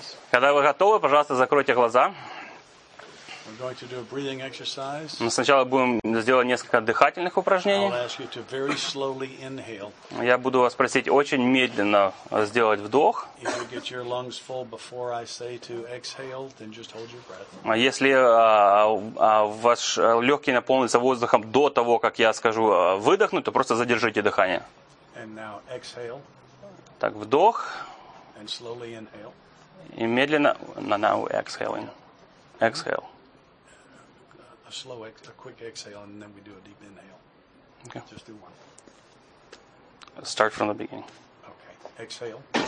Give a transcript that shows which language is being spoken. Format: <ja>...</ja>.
<ru>Когда вы готовы, пожалуйста, закройте глаза.</ru> <en>We're going to do a breathing exercise.</en> <ru>Мы сначала будем сделать несколько дыхательных упражнений.</ru> <en>I'll ask you to very slowly inhale.</en> <ru>Я буду вас просить очень медленно сделать вдох.</ru> <en>If you get your lungs full before I say to exhale, then just hold your breath.</en> <ru>А если ваш легкий наполнится воздухом до того, как я скажу выдохнуть, то просто задержите дыхание.</ru> <en>And now exhale.</en> <ru>Так, вдох.</ru> <en>And slowly inhale.</en> <ru>И медленно,</ru> <en>no, now exhaling. Exhale. Slow, a quick exhale, and then we do a deep inhale. Okay. Just do one. Start from the beginning. Okay. Exhale.</en>